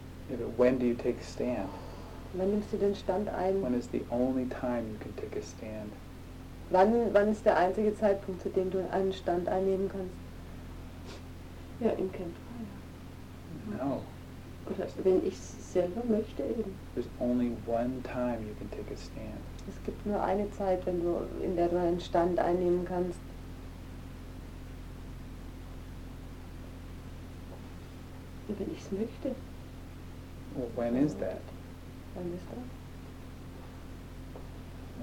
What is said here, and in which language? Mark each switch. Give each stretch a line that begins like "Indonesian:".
English: Yeah, but when do you take a stand?
German: Wann nimmst du den Stand ein?
English: When is the only time you can take a stand?
German: Wann ist der einzige Zeitpunkt, zu dem du einen Stand einnehmen kannst? Ja, im Camp Fire.
English: No.
German: Oder wenn ich selber möchte eben.
English: There's only one time you can take a stand.
German: Es gibt nur eine Zeit, wenn du, in der du einen Stand einnehmen kannst. Ja, wenn ich es möchte.
English: Well, when is that?
German: Wann ist das?